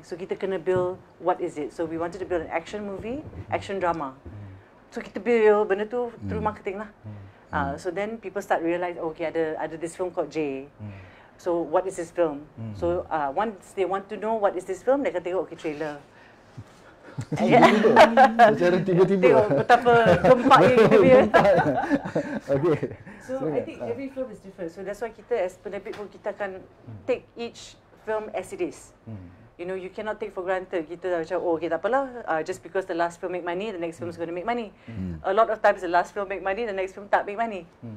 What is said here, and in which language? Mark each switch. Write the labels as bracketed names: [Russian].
[English] So [Malay] kita kena [English] build what is it. So we wanted to build an action movie, action drama. So [Malay] kita [English] build [Malay] benda tu [English] through marketing [Malay] lah. [English] So then people start realize, okay, [Malay] ada [English] this film called J. So what is this film? So once they want to know what is this film, [Malay] mereka tengok, [English] okay, trailer. [Malay] Secara tiba-tiba. Tengok betapa gempaknya kita punya. [English] Okay. So I think every film is different. So that's why [Malay] kita [English] as [Malay] penerbit pun kita akan [English] take each film as it is. You know, you cannot take for granted. [Malay] Kita dah macam, oh, okay, tak apalah. [English] Just because the last film make money, the next film is going to make money. A lot of times, the last film make money, the next film [Malay] tak [English] make money.